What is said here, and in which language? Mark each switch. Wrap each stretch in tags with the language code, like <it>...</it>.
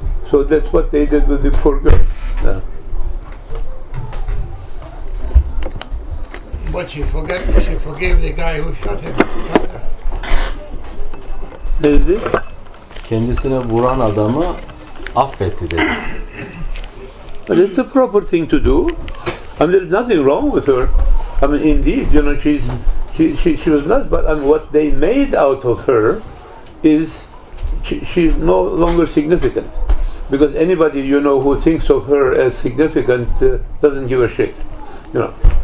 <en>So that's what they did with the poor girl. But she forgave the guy who shot him.</en> <tr>Dedi, kendisine vuran adamı affetti dedi.</tr> <en>But it's the proper thing to do. I mean, there's nothing wrong with her. I mean, indeed, you know, she was not. But I mean, what they made out of her is she's no longer significant. Because anybody, you know, who thinks of her as significant doesn't give a shit, you know.</en>